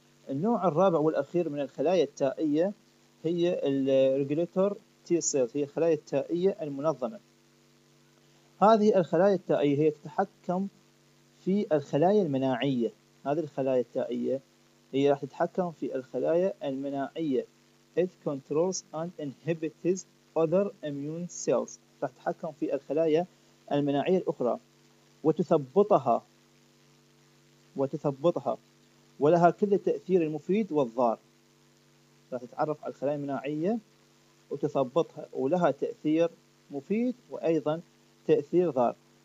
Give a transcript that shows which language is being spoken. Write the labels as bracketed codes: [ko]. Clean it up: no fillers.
[ar] النوع الرابع والأخير من الخلايا التائية هي الريجوليتور تي سيل، هي الخلايا التائية المنظمة. هذه الخلايا التائية هي تتحكم في الخلايا المناعية، هذه الخلايا التائية هي راح تتحكم في الخلايا المناعية. [en] It controls and inhibits other immune cells. [ar] راح تتحكم في الخلايا المناعية الأخرى وتثبطها ولها كل التأثير المفيد والضار. راح تتعرف على الخلايا المناعية وتثبطها ولها تأثير مفيد وأيضا تأثير ضار.